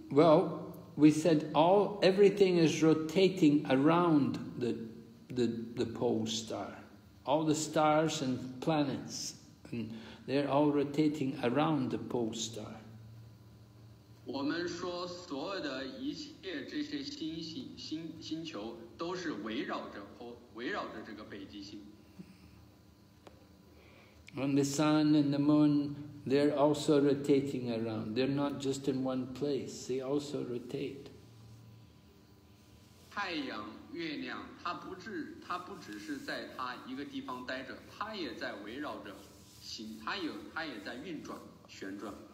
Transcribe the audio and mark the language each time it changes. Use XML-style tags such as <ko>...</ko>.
<en>Well, we said everything is rotating around the pole star. All the stars and planets, and they're all rotating around the pole star.</en> <zh>我们说所有的一切这些星球都是围绕着这个北极星。</zh> <en>And the sun and the moon, they're also rotating around. They're not just in one place. They also rotate.</en> <zh>太阳、月亮，它不只是在它一个地方待着，它也在围绕着星，它也在运转、旋转。</zh>